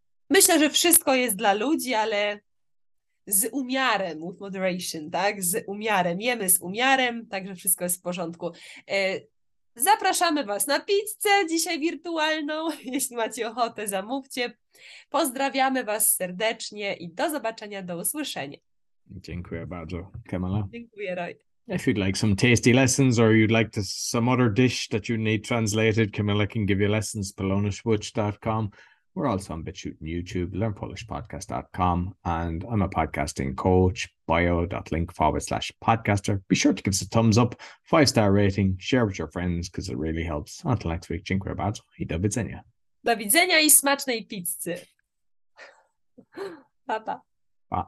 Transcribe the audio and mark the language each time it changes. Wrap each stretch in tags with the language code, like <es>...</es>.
<pl>myślę, że wszystko jest dla ludzi, ale z umiarem,</pl> <en>with moderation,</en> <pl>tak? Z umiarem. Jemy z umiarem, także wszystko jest w porządku. Zapraszamy Was na pizzę dzisiaj wirtualną. Jeśli macie ochotę, zamówcie. Pozdrawiamy Was serdecznie i do zobaczenia, do usłyszenia. Dziękuję bardzo, Kamala. Dziękuję, Roy.</pl> <en>If you'd like some tasty lessons or you'd like to, some other dish that you need translated, Kamala can give you lessons, polonishwitch.com. We're also on BitChute and YouTube, learnpolishpodcast.com. And I'm a podcasting coach, bio.link/podcaster. Be sure to give us a thumbs up, 5-star rating, share with your friends because it really helps. Until next week,</en> <pl>dziękuję bardzo i do widzenia. Do widzenia i smacznej pizzy. Pa, pa.</pl>